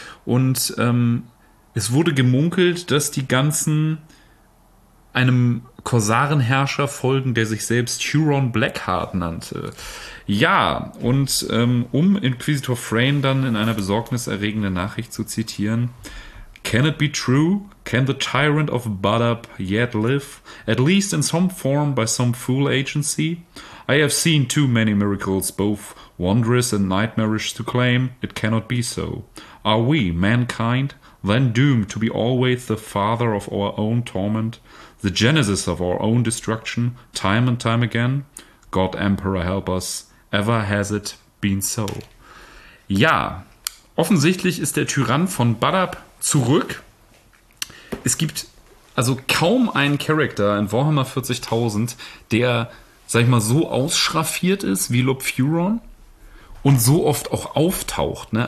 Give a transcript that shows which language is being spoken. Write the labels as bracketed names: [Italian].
[German] Und es wurde gemunkelt, dass die ganzen einem Korsarenherrscher folgen, der sich selbst Huron Blackheart nannte. Ja, und um Inquisitor Frayn dann in einer besorgniserregenden Nachricht zu zitieren: [English] "Can it be true? Can the tyrant of Badab yet live? At least in some form by some fool agency? I have seen too many miracles, both wondrous and nightmarish, to claim it cannot be so. Are we, mankind, then doomed to be always the father of our own torment, the genesis of our own destruction, time and time again? God Emperor help us, ever has it been so." [German] Ja, offensichtlich ist der Tyrann von Badab zurück. Es gibt also kaum einen Charakter in Warhammer 40.000, der, sag ich mal, so ausschraffiert ist wie Lob Furon und so oft auch auftaucht, ne?